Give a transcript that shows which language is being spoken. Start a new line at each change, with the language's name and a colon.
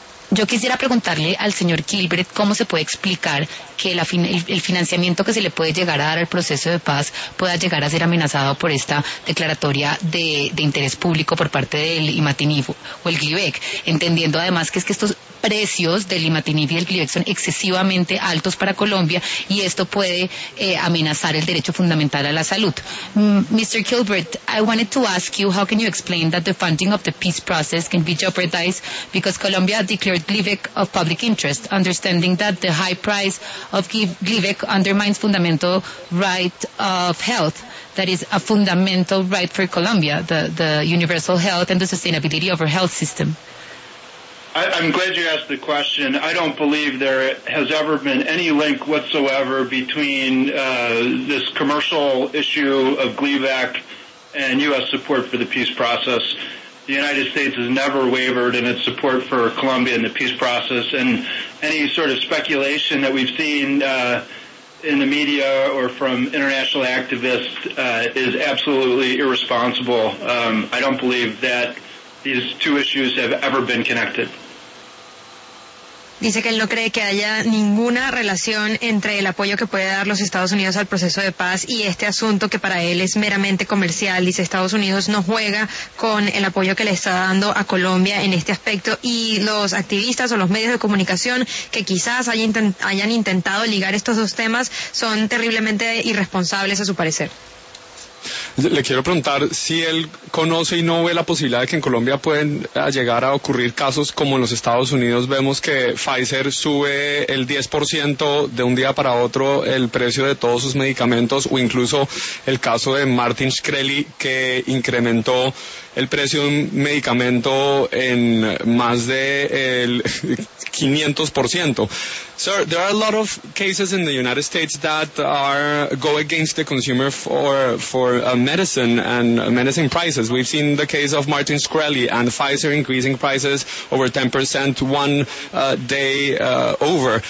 Spanish: Yo quisiera preguntarle al señor Kilbert cómo se puede explicar que el financiamiento que se le puede llegar a dar al proceso de paz pueda llegar a ser amenazado por esta declaratoria de interés público por parte del imatinib o el Glivec, entendiendo además que es que estos precios del imatinib y del Glivec son excesivamente altos para Colombia y esto puede amenazar el derecho fundamental a la salud.
English: Mr. Kilbert, I wanted to ask you, how can you explain that the funding of the peace process can be jeopardized because Colombia declared Glivec of public interest, understanding that the high price of Glivec undermines fundamental right of health, that is a fundamental right for Colombia, the universal health and the sustainability of our health system? I'm glad you asked the question. I don't believe there has ever been any link whatsoever between this commercial issue of Glivec and U.S. support for the peace process. The United States has never wavered in its support for Colombia and the peace process, and any sort of speculation that we've seen in the media or from international activists is absolutely irresponsible. I don't believe that these two issues have ever been connected.
Spanish: Dice que él no cree que haya ninguna relación entre el apoyo que puede dar los Estados Unidos al proceso de paz y este asunto que para él es meramente comercial. Dice, Estados Unidos no juega con el apoyo que le está dando a Colombia en este aspecto, y los activistas o los medios de comunicación que quizás hayan intentado ligar estos dos temas son terriblemente irresponsables a su parecer. Le quiero preguntar si él conoce y no ve la posibilidad de que en Colombia pueden llegar a ocurrir casos como en los Estados Unidos. Vemos que Pfizer sube el 10% de un día para otro el precio de todos sus medicamentos, o incluso el caso de Martin Shkreli, que incrementó el precio de un medicamento en más de el 500%.
English: Sir, there are a lot of cases in the United States that are go against the consumer for medicine and medicine prices. We've seen the case of Martin Shkreli and Pfizer increasing prices over 10% one day over.